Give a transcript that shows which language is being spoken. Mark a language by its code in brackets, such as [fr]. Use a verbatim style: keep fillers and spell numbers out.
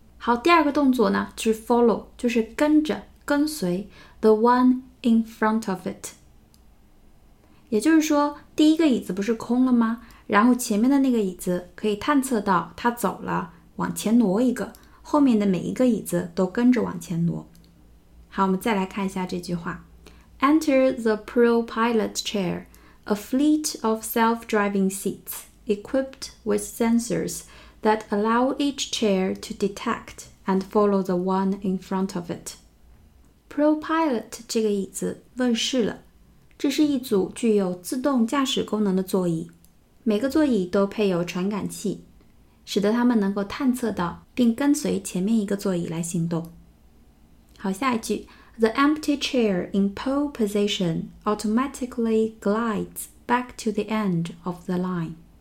[zh] 好，第二个动作呢就是 follow， 就是跟着、跟随 [en] the one in front of it， [zh] 也就是说第一个椅子不是空了吗？然后前面的那个椅子可以探测到它走了，往前挪一个，后面的每一个椅子都跟着往前挪。好，我们再来看一下这句话 [en] Enter the pro pilot chair a fleet of self-driving seats equipped with sensors that allow each chair to detect and follow the one in front of it。 [zh] Pro Pilot 这个椅子问世了，这是一组具有自动驾驶功能的座椅，每个座椅都配有传感器，使得它们能够探测到并跟随前面一个座椅来行动。好，下一句 [en] The empty chair in pole position automatically glides back to the end of the line。